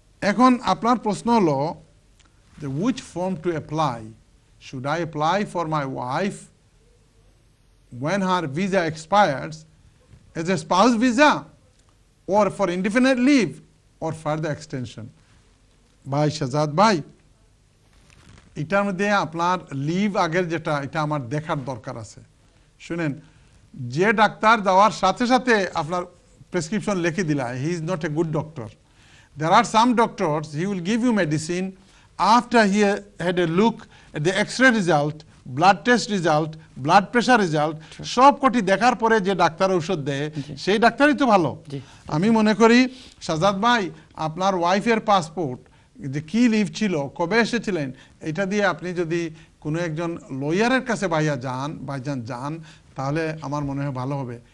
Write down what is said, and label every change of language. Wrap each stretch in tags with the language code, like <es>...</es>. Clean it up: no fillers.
<bn>এখন আপনার প্রশ্ন হলো যে</bn> <en>Which form to apply, should I apply for my wife when her visa expires as a spouse visa or for independent leave or further extension.</en> <bn>ভাই শাজাদ ভাই, এটার মধ্যে আপনার লিভ আগের যেটা এটা আমার দেখার দরকার আছে। শুনেন, যে ডাক্তার যাওয়ার সাথে সাথে আপনার প্রেসক্রিপশন লিখে দিলা,</bn> <en>He is not a good doctor. There are some doctors, he will give you medicine after he had a look at the x-ray result, blood test result, blood pressure result.</en> <bn>সব কটি দেখার পরে যে doctor ঔষধ দেয় সেই ডাক্তারই তো ভালো। আমি মনে করি সাজাদ ভাই, আপনার ওয়াইফের পাসপোর্ট যে কী লিভ ছিল, কবে এসেছিলেন, এটা দিয়ে আপনি যদি কোনো একজন লয়ারের কাছে ভাইজান যান তাহলে আমার মনে হয় ভালো হবে।</bn>